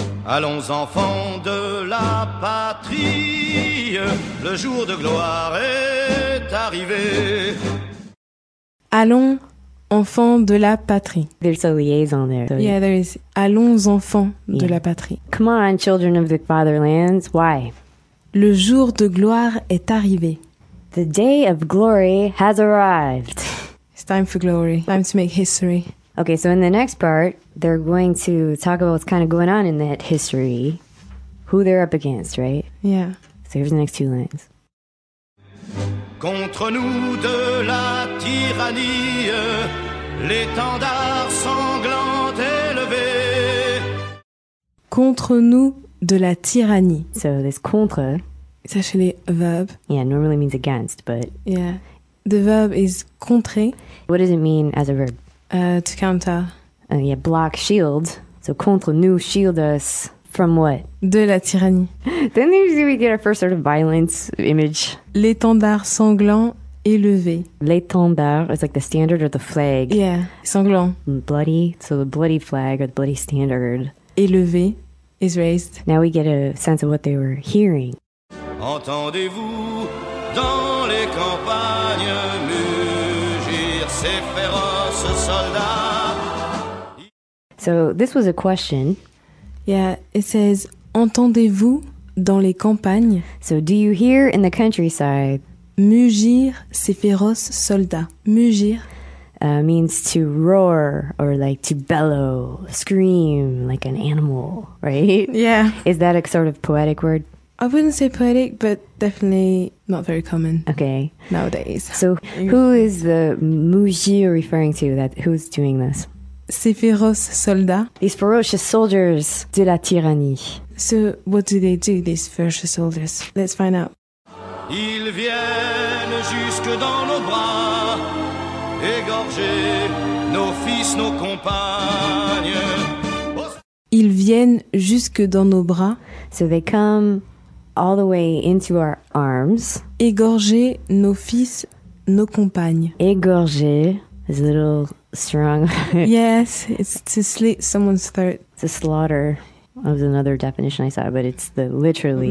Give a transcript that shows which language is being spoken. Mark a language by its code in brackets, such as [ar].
[fr] Allons enfants de la patrie, le jour de gloire est arrivé. Allons enfants de la patrie. [en] There's a liaison there. Yeah, there is. [fr] Allons enfants [en] yeah. [fr] de la patrie. [en] Come on, children of the fatherlands. Why? [fr] Le jour de gloire est arrivé. [en] The day of glory has arrived. It's time for glory. Time to make history. Okay, so in the next part, they're going to talk about what's kind of going on in that history, who they're up against, right? Yeah. So here's the next two lines. [fr] Contre nous de la tyrannie, l'étendard sanglant est levé. Contre nous de la tyrannie. [en] So this contre. It's actually a verb. Yeah, normally means against, but. Yeah. The verb is contrer. What does it mean as a verb? To counter. Yeah, block, shield. So [fr] contre nous, [en] shield us. From what? [fr] De la tyrannie. [en] Then usually we get our first sort of violence image. [fr] L'étendard sanglant élevé. [en] L'étendard is like the standard or the flag. Yeah, sanglant. Bloody, so the bloody flag or the bloody standard. Élevé is raised. Now we get a sense of what they were hearing. [fr] Entendez-vous dans les campagnes mugir ces féroces soldats? [en] So this was a question. Yeah, it says, [fr] entendez-vous dans les campagnes? [en] So do you hear in the countryside? [fr] Mugir ces féroces soldats. Mugir. [en] means to roar or like to bellow, scream like an animal, right? Yeah. Is that a sort of poetic word? I wouldn't say poetic, but definitely not very common. Okay. Nowadays. So who is the Muji referring to? That who's doing this? [fr] Ces féroces soldats. [en] These ferocious soldiers [fr] de la tyrannie. [en] So what do they do, these ferocious soldiers? Let's find out. [fr] Ils viennent jusque dans nos bras, égorger nos fils, nos compagnes. Ils viennent jusque dans nos bras. [en] So they come all the way into our arms. [fr] Égorger nos fils, nos compagnes. [en] Égorger is a little strong. Yes, it's to slit someone's throat. To slaughter. That was another definition I saw, but it's the literally.